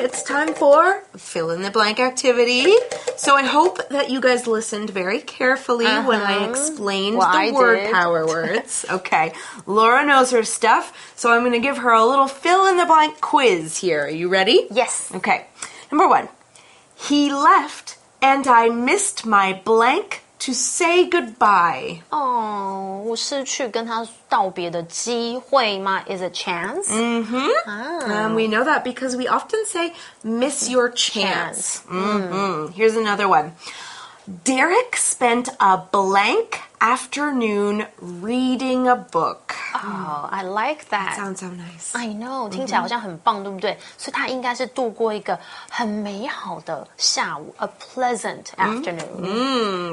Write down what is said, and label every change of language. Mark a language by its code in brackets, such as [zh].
[en] It's time for fill in the blank activity. So I hope that you guys listened very carefully when I explained power words. Okay, Laura knows her stuff, so I'm going to give her a little fill in the blank quiz here. Are you ready? Yes. Okay, number one. He left and I missed my blank to say goodbye. Oh, [zh] 我失去跟他道别的机会吗? [en] Is a chance? Mm-hmm. And we know that because we often say, miss your chance. Mm-hmm. Here's another one. Derek spent a blank afternoon reading a book. Oh, I like that. That sounds so nice. I know, [zh] 听起来好像很棒，对不对？所以他应该是度过一个很美好的下午 [en] a pleasant afternoon.